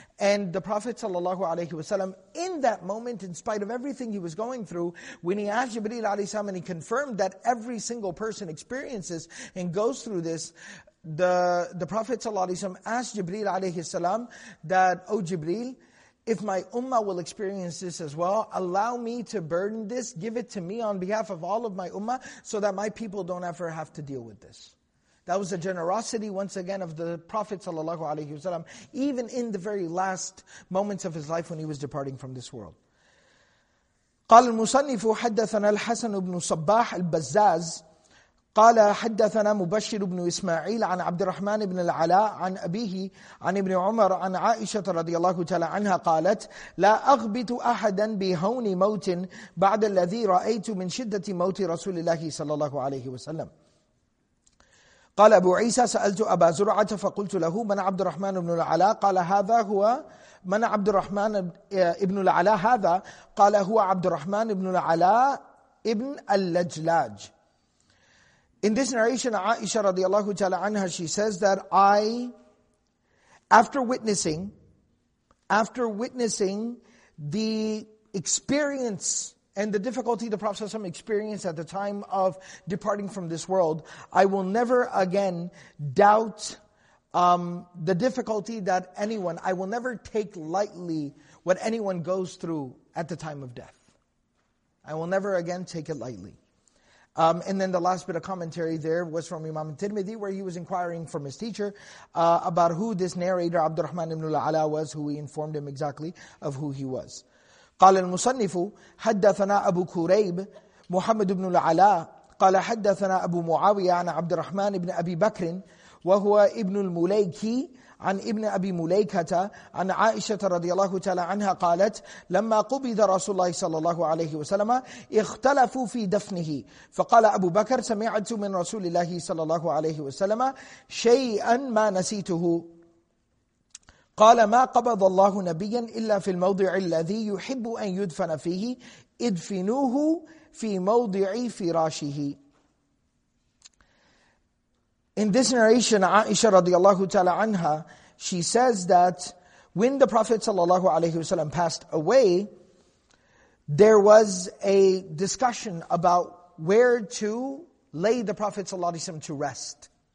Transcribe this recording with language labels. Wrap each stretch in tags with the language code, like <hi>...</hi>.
<en>And the Prophet ﷺ, in that moment, in spite of everything he was going through, when he asked Jibreel alayhi salam and he confirmed that every single person experiences and goes through this, the Prophet ﷺ asked Jibreel alayhi salam that, "O Jibreel, if my ummah will experience this as well, allow me to burden this, give it to me on behalf of all of my ummah, so that my people don't ever have to deal with this." That was the generosity once again of the Prophet ﷺ, even in the very last moments of his life when he was departing from this world.</en> <ar>قال المصنف حدثنا الحسن بن صباح البزاز قال حدثنا مبشر بن إسماعيل عن عبد الرحمن بن العلاء عن أبيه عن ابن عمر عن عائشة رضي الله تعالى عنها قالت لا أغبط أحدا بهون موت بعد الذي رأيت من شدة موت رسول الله صلى الله عليه وسلم قال أبو عيسى سألت أبا زرعة فقلت له من عبد الرحمن بن العلاء قال هذا هو من عبد الرحمن بن العلاء هذا قال هو عبد الرحمن بن العلاء ابن اللجلاج.</ar> <en>In this narration, Aisha radiallahu ta'ala anha, she says that after witnessing the experience and the difficulty the Prophet ﷺ experienced at the time of departing from this world, I will never again doubt the difficulty that anyone, I will never take lightly what anyone goes through at the time of death. I will never again take it lightly. And then the last bit of commentary there was from Imam Tirmidhi, where he was inquiring from his teacher about who this narrator Abdurrahman ibn al-Ala was, who he informed him exactly of who he was.</en> <ar>قال المصنف حدثنا أبو كريب محمد بن العلاء قال حدثنا أبو معاوية عن عبد الرحمن بن أبي بكر وهو ابن المليكي عن ابن أبي مليكة عن عائشة رضي الله تعالى عنها قالت لما قبض رسول الله صلى الله عليه وسلم اختلفوا في دفنه فقال أبو بكر سمعت من رسول الله صلى الله عليه وسلم شيئا ما نسيته قال ما قبض الله نبيا إلا في الموضع الذي يحب أن يدفن فيه ادفنوه في موضع فراشه.</ar> <en>In this narration, Aisha radiallahu ta'ala anha, she says that when the Prophet sallallahu alayhi wasallam passed away, there was a discussion about where to lay the Prophet sallallahu alayhi wasallam to rest.</en>